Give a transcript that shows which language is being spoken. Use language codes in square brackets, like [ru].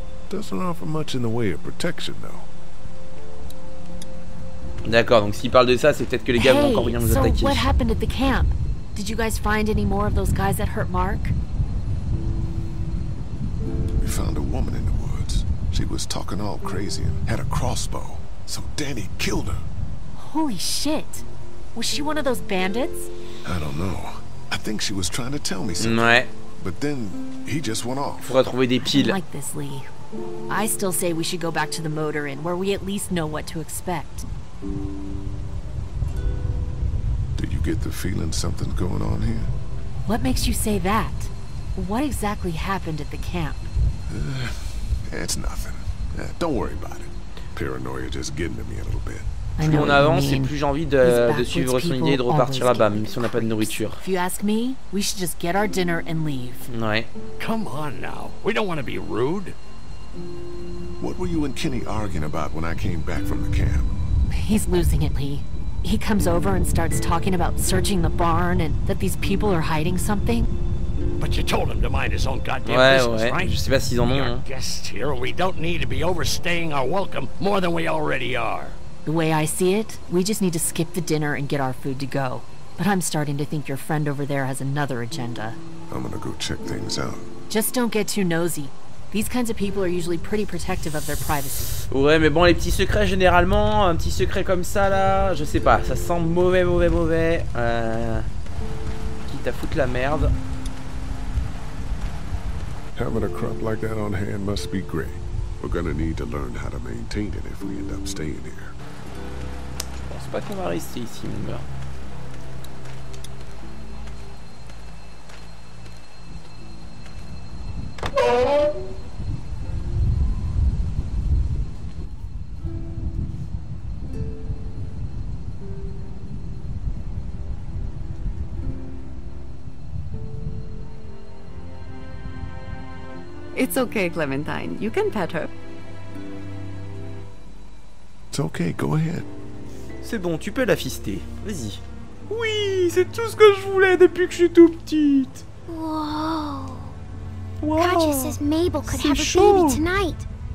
[en] Doesn't offer much in the way of protection, though. [fr] D'accord, donc s'il parle de ça, c'est peut-être que les gars vont encore rien nous attaquer. [en] So what happened at the camp? Did you guys find any more of those guys that hurt Mark? We found a woman in the woods. She was talking all crazy and had a crossbow. So Danny killed her. Holy shit. Was she one of those bandits? I don't know. I think she was trying to tell me something. [fr] Ouais. [en] But then he just went off. [fr] Faudra trouver des piles. [en] I like this, Lee. I still say we should go back to the motor inn where we at least know what to expect. Did you get the feeling something's going on here? What makes you say that? What exactly happened at the camp? It's nothing. Don't worry about it. Paranoia just getting to me a little bit. [fr] Plus on avance et plus j'ai envie de suivre son idée et de repartir là-bas, même si on n'a pas de nourriture. [en] If you ask me, we should just get our dinner and leave. [fr] Ouais. [en] Come on now, we don't want to be rude. What were you and Kenny arguing about when I came back from the camp? He's losing it, Lee. He comes over and starts talking about searching the barn and that these people are hiding something. But you told him to mind his own goddamn business, right? [fr] Je sais pas s'ils en ont. [en] We are guests here. We don't need to be overstaying our welcome more than we already are. The way I see it, we just need to skip the dinner and get our food to go. But I'm starting to think your friend over there has another agenda. I'm gonna go check things out. Just don't get too nosy. These kinds of people are usually pretty protective of their privacy. [fr] Ouais, mais bon, les petits secrets généralement, un petit secret comme ça là, je sais pas, ça sent mauvais. Quitte à foutre la merde. [en] Having a crop like that on hand must be great. We're gonna need to learn how to maintain it if we end up staying here. [fr] Je pense pas qu'on va rester ici, mon gars. [en] It's okay, Clementine. You can pet her. It's okay, go ahead. [fr] C'est bon, tu peux la fister. Vas-y. Oui, c'est tout ce que je voulais depuis que je suis tout petite. [en] Wow. Katja says Mabel could have a baby tonight.